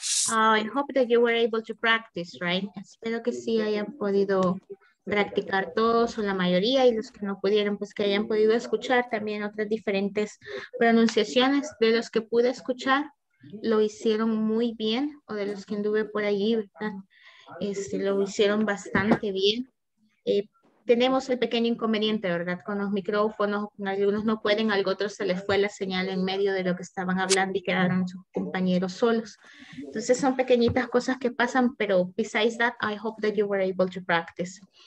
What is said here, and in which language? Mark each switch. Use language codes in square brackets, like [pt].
[en] I hope that you were able to practice, right? [es] Espero que sí hayan podido practicar todos o la mayoría, y los que no pudieron, pues que hayan podido escuchar también otras diferentes pronunciaciones. De los que pude escuchar, lo hicieron muy bien, o de los que anduve por allí, ¿verdad? Lo hicieron bastante bien. Tenemos el pequeño inconveniente, ¿verdad? Con los micrófonos, algunos no pueden, algo otro se les fue la señal en medio de lo que estaban hablando y quedaron sus compañeros solos. Entonces son pequeñitas cosas que pasan, pero [en] besides that, I hope that you were able to practice.